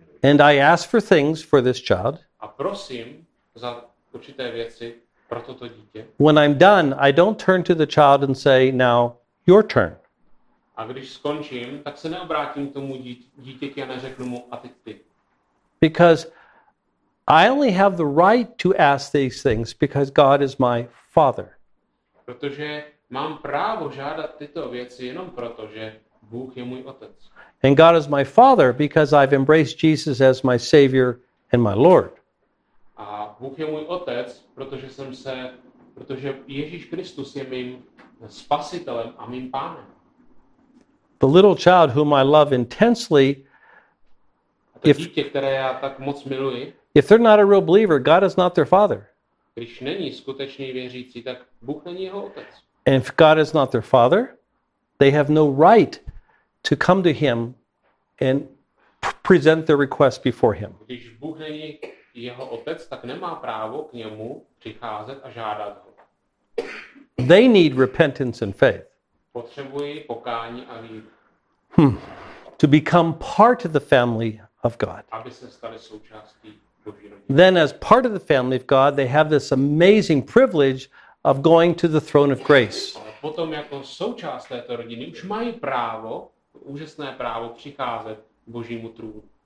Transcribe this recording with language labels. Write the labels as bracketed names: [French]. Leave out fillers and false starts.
[English] and I ask for things for this child. [Czech] A prosím za určité věci pro toto dítě. [English] When I'm done, I don't turn to the child and say, "Now your turn." [Czech] A když skončím, tak se neobrátím k tomu dítěti a neřeknu mu a teď ty. [English] Because I only have the right to ask these things because God is my father. [Czech] Protože mám právo žádat tyto věci jenom proto, že Bůh je můj otec. [English] And God is my father because I've embraced Jesus as my savior and my lord. [Czech] A Bůh je můj otec, protože Ježíš Kristus je mým spasitelem a mým pánem. [English] The little child whom I love intensely, [Czech] dítě, které já tak moc miluji, [English] if they're not a real believer, God is not their father. [Czech] Když není skutečně věřící, tak Bůh není jeho otec. [English] And if God is not their father, they have no right to come to him and present their request before him. [Czech] Když Bůh není jeho otec, tak nemá právo k němu přicházet a žádat ho. [English] They need repentance and faith. [Czech] Potřebují pokání a víru. [English] To become part of the family of God. [Czech] Aby se stali součástí Boží rodiny. [English] Then as part of the family of God, they have this amazing privilege of going to the throne of grace. [Czech] Potom jako součást této rodiny už mají právo, úžasné právo přicházet k Božímu trůnu.